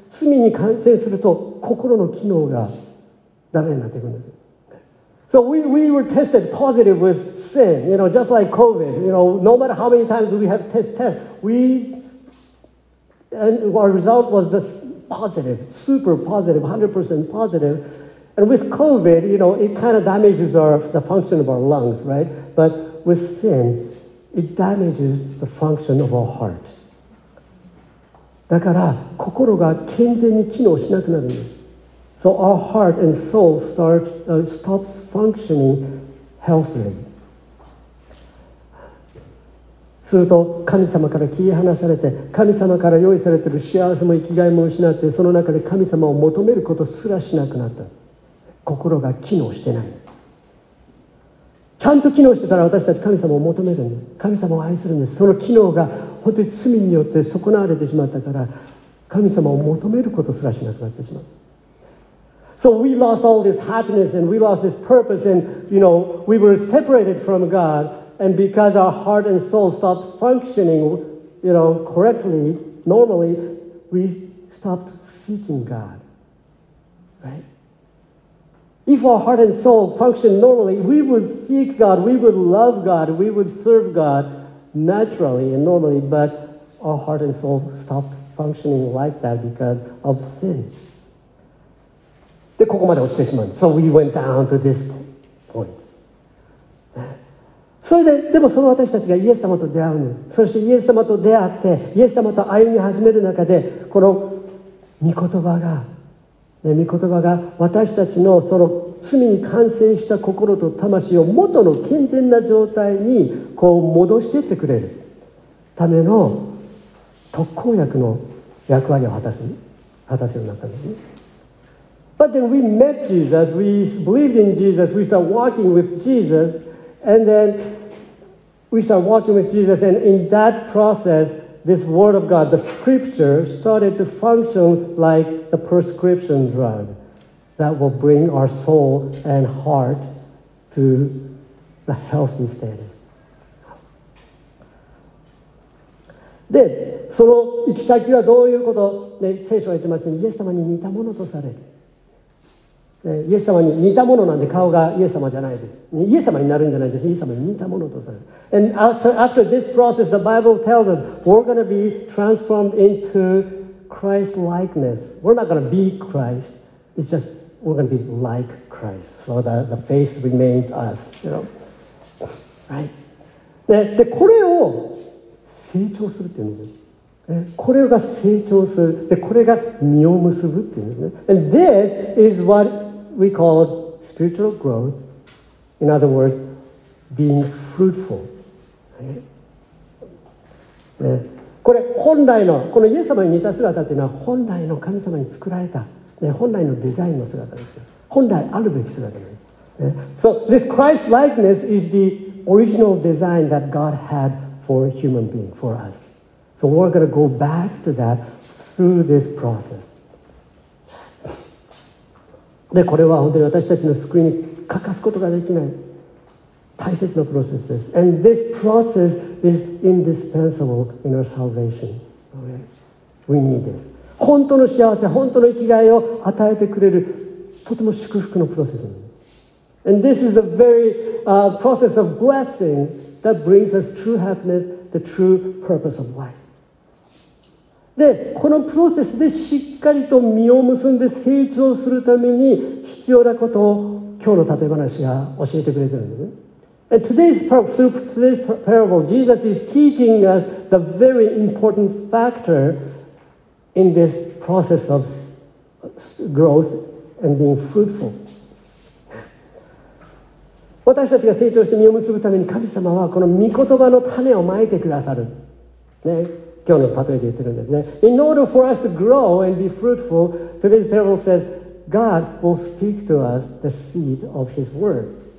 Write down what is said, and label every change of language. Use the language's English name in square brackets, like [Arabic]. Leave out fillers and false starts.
[Japanese] 罪に感染すると心の機能がダメになっていくんです。 [English] So we were tested positive with sin, you know, just like COVID, you know, no matter how many times we have test, weAnd our result was this positive, super positive, 100% positive. And with COVID, you know, it kind of damages the function of our lungs, right? But with sin, it damages the function of our heart. [Japanese] だから心が健全に機能しなくなるんです。 [English] So our heart and soul stops functioning healthily. [Japanese] すると神様から切り離されて、神様から用意されている幸せも生きがいも失って、その中で神様を求めることすらしなくなった。心が機能してない。ちゃんと機能してたら私たち神様を求めるんです。神様を愛するんです。その機能が本当に罪によって損なわれてしまったから、神様を求めることすらしなくなってしまう。 [English] So we lost all this happiness and we lost this purpose and you know we were separated from God and because our heart and soul stopped functioning you know correctly normally we stopped seeking God. Right? If our heart and soul functioned normally we would seek God, we would love God, we would serve God naturally and normally but our heart and soul stopped functioning like that because of sin. [Japanese] で、ここまで落ちてしまう。 [English] So we went down to this point. [Japanese] それで、でもその私たちがイエス様と出会うの。そしてイエス様と出会って、イエス様と歩み始める中で、この御言葉が、御言葉が私たちのその罪に完成した心と魂を元の健全な状態にこう戻していってくれるための特効薬の役割を果たすようになったんですね。 [English] But then we met Jesus, we believed in Jesus, we started walking with Jesus, and then we started walking with Jesus, and in that process, this word of God, the scripture, started to function like the prescription drug that will bring our soul and heart to the healthy status. [Japanese] で、その行き先はどういうこと？ね、聖書は言ってますね。イエス様に似たものとされる。イエス様に似たものなんで顔がイエス様じゃないです。イエス様になるんじゃないです。イエス様に似たものとされる。 [English] And after this process, the Bible tells us we're going to be transformed into Christ likeness. We're not going to be Christ. It's just we're going to be like Christ. So that the face remains us, you know. Right? [Japanese] で、これを成長するっていうんですよ。これが成長する。で、これが実を結ぶっていうんですね。 [English] And this is what we call spiritual growth. In other words, being fruitful.、 [Japanese] ね、これ、本来の、このイエス様に似た姿っていうのは、本来の神様に作られた、ね、本来のデザインの姿ですよ。本来あるべき姿です。 [English] ね、so, this Christ-likeness is the original design that God had for human being, for us. So we're going to go back to that through this process. [Japanese] で、これは本当に私たちの救いに欠かすことができない大切なプロセスです。 [English] And this process is indispensable in our salvation. We need this. [Japanese] 本当の幸せ、本当の生きがいを与えてくれるとても祝福のプロセスです。 [English] And this is a very, process of blessing that brings us true happiness, the true purpose of life. [Japanese] で、このプロセスでしっかりと実を結んで成長するために必要なことを今日の例え話が教えてくれてるんですね。 [English] And today's parable, Jesus is teaching us the very important factor in this process of growth and being fruitful. [Japanese] 私たちが成長して実を結ぶために神様はこの御言葉の種をまいてくださる。ね。今日の例えで言ってるんですね。 [English] In order for us to grow and be fruitful, today's parable says, God will speak to us the seed of his word.